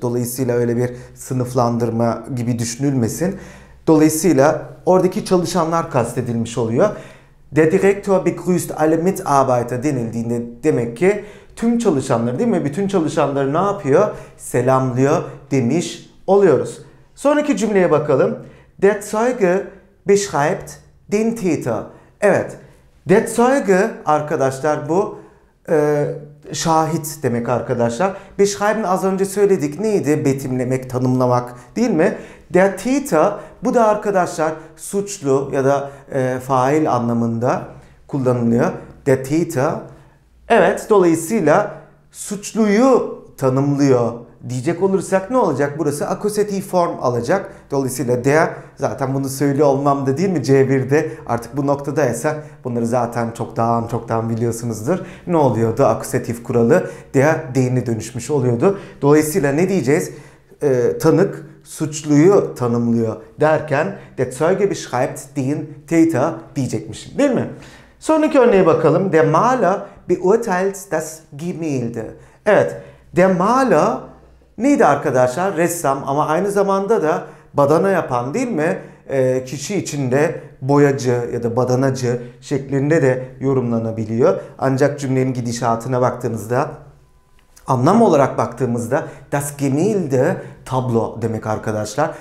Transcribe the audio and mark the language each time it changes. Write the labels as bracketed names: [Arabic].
[Turkish] Dolayısıyla öyle bir sınıflandırma gibi düşünülmesin. Dolayısıyla oradaki çalışanlar kastedilmiş oluyor. [German] Der Direktor begrüßt alle Mitarbeiter [Turkish] denildiğinde demek ki tüm çalışanları değil mi? Bütün çalışanları ne yapıyor? Selamlıyor demiş oluyoruz. Sonraki cümleye bakalım. [German] Der Zeuge beschreibt den Täter. [Turkish] Evet. Der Zeuge arkadaşlar bu şahit demek arkadaşlar. Beschreiben az önce söyledik neydi? Betimlemek, tanımlamak değil mi? Der Täter bu da arkadaşlar suçlu ya da fail anlamında kullanılıyor. Der Täter. Evet, dolayısıyla suçluyu tanımlıyor diyecek olursak ne olacak? Burası akusatif form alacak. Dolayısıyla der, zaten bunu söylüyor olmam da değil mi C1'de? Artık bu noktadaysak bunları zaten çoktan biliyorsunuzdur. Ne oluyordu akusatif kuralı? Der, den'e dönüşmüş oluyordu. Dolayısıyla ne diyeceğiz? Tanık suçluyu tanımlıyor derken [German] der Zeuge beschreibt den Täter [Turkish] diyecekmişim değil mi? Sonraki örneğe bakalım. [German] Der Maler beurteilt das Gemälde. [Turkish] Evet. Der Maler neydi arkadaşlar? Ressam ama aynı zamanda da badana yapan değil mi? Kişi içinde boyacı ya da badanacı şeklinde de yorumlanabiliyor. Ancak cümlenin gidişatına baktığımızda, anlam olarak baktığımızda das Gemälde tablo demek arkadaşlar.